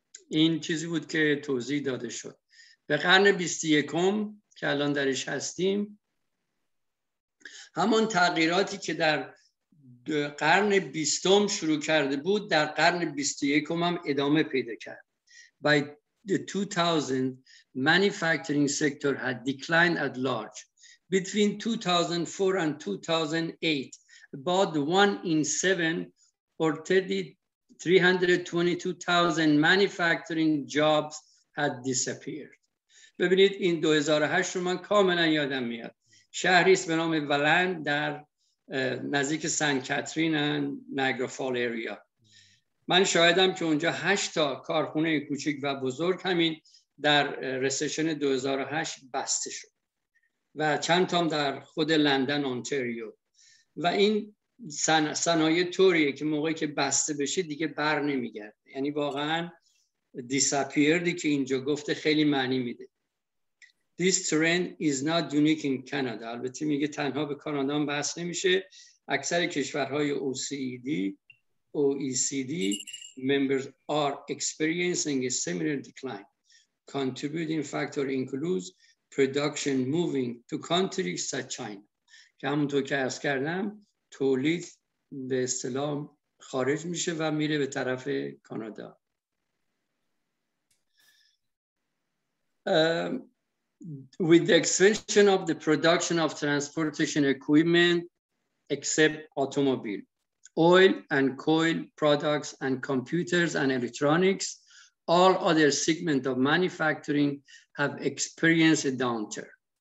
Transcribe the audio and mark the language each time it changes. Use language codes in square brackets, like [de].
[fa] این چیزی بود که توضیح داده شد. به قرن 21 که الان درش هستیم همون تغییراتی که در قرن 20 شروع کرده بود در قرن 21 هم ادامه پیدا کرد. [en] By the 2000 manufacturing sector had declined at large. Between 2004 and 2008 about 1 in 7 or 322,000 manufacturing jobs had disappeared. [fa] ببینید این 2008 رو من کاملا یادم میاد. شهریست به نام ولند در نزدیک سن کاترین نیاگارا فال ایریا. من شاهدم که اونجا 8 تا کارخونه کوچک و بزرگ همین در ریسیشن 2008 بسته شد و چند تام در خود لندن اونتاریو و این صنایع طوریه که موقعی که بسته بشه دیگه بر نمیگرده. یعنی واقعا دیساپیردی که اینجا گفته خیلی معنی میده. [en] This trend is not unique in Canada. [fa] البته میگه تنها به کانادا هم بحث نمیشه. اکثر کشورهای [en] OECD members are experiencing a similar decline. Contributing factor includes production moving to countries such as China. [fa] که همونطور که عرض کردم تولید به اصطلاح خارج میشه و میره به طرف کانادا. [en] With the expansion of the production of transportation equipment except automobile, oil and coal products and computers and electronics, all other segments of manufacturing have experienced a downturn.